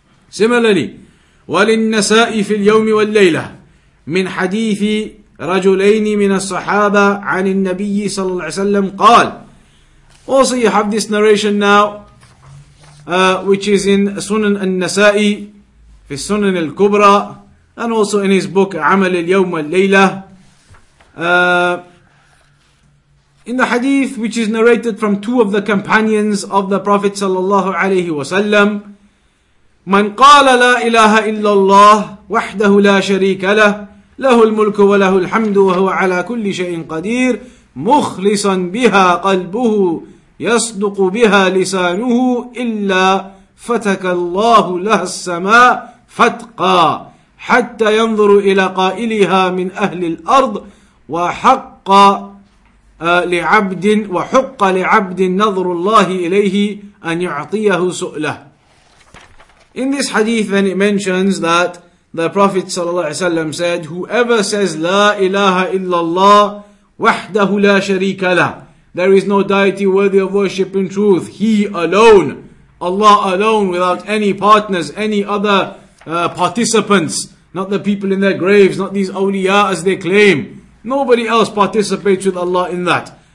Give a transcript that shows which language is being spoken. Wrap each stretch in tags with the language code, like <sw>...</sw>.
<ar>Similarly, وَلِلنَّسَاءِ فِي الْيَوْمِ وَالْلَيْلَةِ مِنْ حَدِيثِ رَجُلَيْنِ مِنَ الصَّحَابَةِ عَنِ النَّبِيِّ صَلَى اللَّهِ عَلَيْهِ وَسَلَّمْ قَالَ.</ar> <en>Also you have this narration now, which is in Sunan al-Nasa'i, في Sunan al-Kubra, and also in his book, عَمَلِ الْيَوْمَ وَالْلَيْلَةِ. In the hadith, which is narrated from two of the companions of the Prophet sallallahu alayhi wa sallam,</en> <ar>من قال لا إله إلا الله وحده لا شريك له له الملك وله الحمد وهو على كل شيء قدير مخلصا بها قلبه يصدق بها لسانه إلا فتك الله له السماء فتقا حتى ينظر إلى قائلها من أهل الأرض وحق لعبد وحق لعبد نظر الله إليه أن يعطيه سؤله.</ar> <en>In this hadith then it mentions that the Prophet ﷺ said, whoever says La ilaha illallah wahdahu la sharika la, there is no deity worthy of worship in truth, he alone, Allah alone, without any partners, any other participants, not the people in their graves, not these awliya as they claim, nobody else participates with Allah in that.</en>